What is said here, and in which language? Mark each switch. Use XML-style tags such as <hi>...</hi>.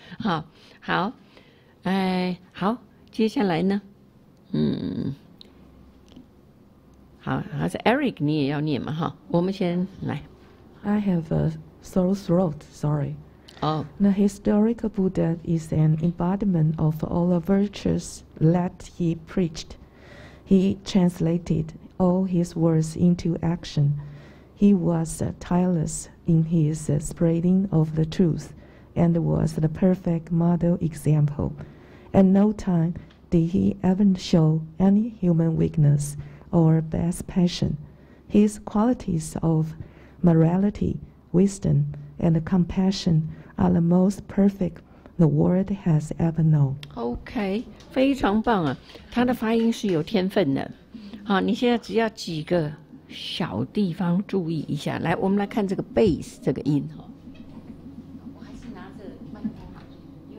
<zh>哈，好，哎，好，接下来呢，好，还是 Eric， 你也要念嘛，哈，我们先来。</zh> <en>I have a sore throat. Sorry. Oh. The historical Buddha is an embodiment of all the virtues that he preached. He translated all his words into action. He was tireless in his spreading of the truth and was the perfect model example. At no time did he ever show any human weakness or base passion. His qualities of morality, wisdom, and compassion are the most perfect the world has ever known. Okay.</en> <zh>非常棒啊，他的发音是有天分的。好，你现在只要几个小地方注意一下。来，我们来看这个 base 这个音。我还是拿着麦克风，因为这样子哈，会比较清楚。</zh>